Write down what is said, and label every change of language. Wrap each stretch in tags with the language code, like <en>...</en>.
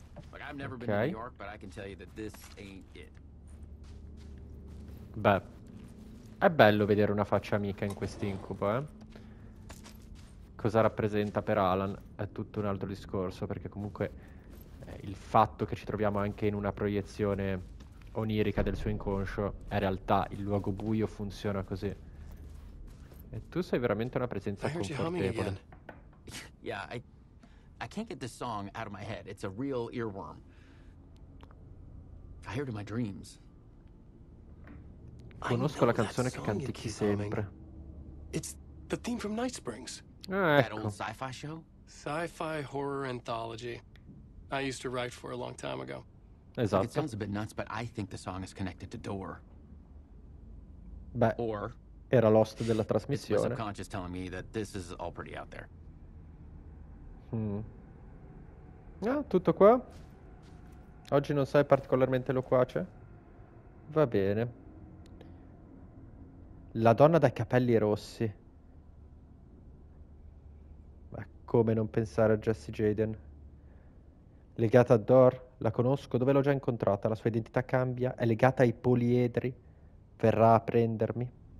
<en>Look, I've never been to New York, but I can tell you that this ain't it.</en> <it>Beh. È bello vedere una faccia amica in quest'incubo, eh. Cosa rappresenta per Alan è tutto un altro discorso, perché comunque il fatto che ci troviamo anche in una proiezione onirica del suo inconscio è realtà, il luogo buio funziona così. E tu sei veramente una presenza confortevole.</it> <en>Yeah, I can't get this song out of my head. It's a real earworm. I hear it in my dreams.</en> <it>Conosco la canzone che cantichi sempre.</it> <en>It's the theme from Night Springs.</en> <it>Ah, ecco.</it> <en>That old sci-fi show? Sci-fi horror anthology. I used to write for a long time ago.</en> <it>Esatto.</it> <en>It sounds a bit nuts, but I think the song is connected to Door.</en> <it>Beh, or era l'host della trasmissione.</it> <en>It's my subconscious telling me that this is all pretty out there.</en> <it>Hmm. Ah, tutto qua? Oggi non sei particolarmente loquace? Va bene. La donna dai capelli rossi. Ma come non pensare a Jesse Jaden? Legata a Dor, la conosco, dove l'ho già incontrata, la sua identità cambia, è legata ai poliedri, verrà a prendermi.</it>